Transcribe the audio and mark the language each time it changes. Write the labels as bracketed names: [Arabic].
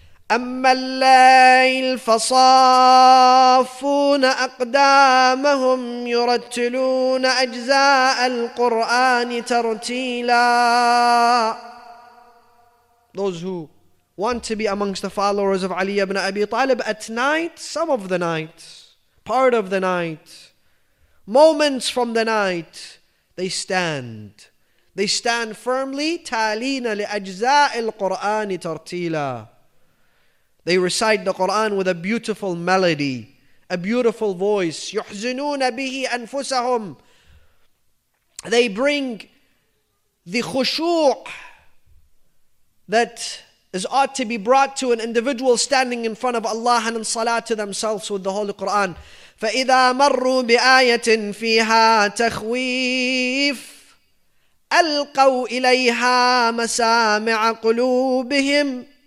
[Arabic] أما الليل فصافون أقدامهم يرتلون أجزاء القرآن ترتيلا. [English] Those who want to be amongst the followers of Ali ibn Abi Talib at night, some of the night, part of the night, moments from the night, they stand. They stand firmly, [Arabic] تالين لأجزاء القرآن ترتيلا. [English] They recite the Quran with a beautiful melody, a beautiful voice. [Arabic] يحزنون به أنفسهم. [English] They bring the خشوع that is ought to be brought to an individual standing in front of Allah and in salah to themselves with the Holy Quran. [Arabic] فإذا مروا بآية فيها تخويف ألقوا إليها مسامع قلوبهم.